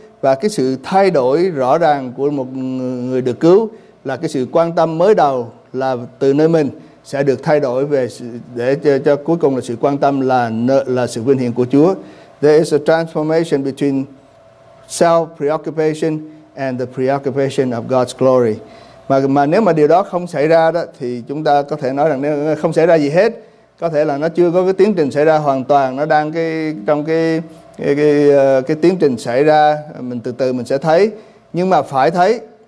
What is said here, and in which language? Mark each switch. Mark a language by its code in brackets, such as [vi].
[vi] Và cái sự thay đổi rõ ràng của một người được cứu là cái sự quan tâm mới đầu là từ nơi mình sẽ được thay đổi về sự, để cho cuối cùng là sự quan tâm là sự vinh hiển của Chúa. [en] There is a transformation between self-preoccupation and the preoccupation of God's glory. [vi] Mà nếu mà điều đó không xảy ra đó, thì chúng ta có thể nói rằng nếu không xảy ra gì hết, có thể là nó chưa có cái tiến trình xảy ra hoàn toàn, nó đang trong cái tiến trình xảy ra, mình từ từ mình sẽ thấy, nhưng mà phải thấy.